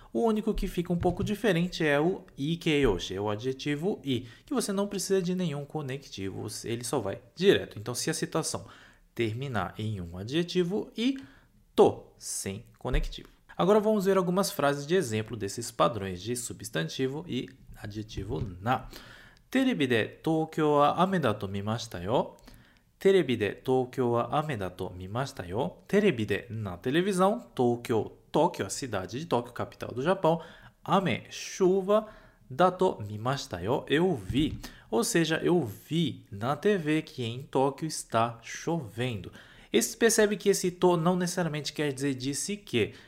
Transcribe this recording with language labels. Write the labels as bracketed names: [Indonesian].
[Portuguese] O único que fica um pouco diferente é o ikeyoshi, é o adjetivo i, que você não precisa de nenhum conectivo, ele só vai direto. Então, se a citação terminar em um adjetivo i, to, sem conectivo. Agora vamos ver algumas frases de exemplo desses padrões de substantivo e adjetivo na. [Japanese] テレビで東京は雨だと見ましたよ。テレビで東京は雨だと見ましたよ。テレビで、 [Portuguese] na televisão、東京、a cidade de Tóquio, capital do Japão、雨、chuva、 [Japanese] だと見ましたよ。 [Portuguese] Eu vi。 Ou seja, eu vi na TV que em Tóquio está chovendo. Esse, percebe que esse to não necessariamente quer dizer disse que.